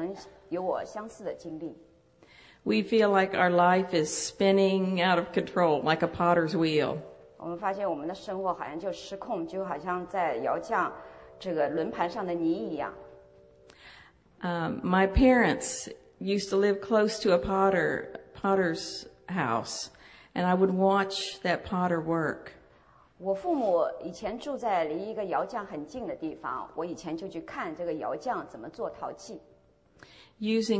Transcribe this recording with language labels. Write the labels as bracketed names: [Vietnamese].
[Chinese] 在很多时候你可能有我相似的经历。 [English] We feel like our life is spinning out of control, like a potter's wheel. [Chinese] 我们发现我们的生活好像就失控, 就好像在摇匠这个轮盘上的泥一样。 [English] My parents used to live close to a potter's house, and I would watch that potter work. [Chinese] 我父母以前住在离一个窑匠很近的地方，我以前就去看这个窑匠怎么做陶器。 [English] Using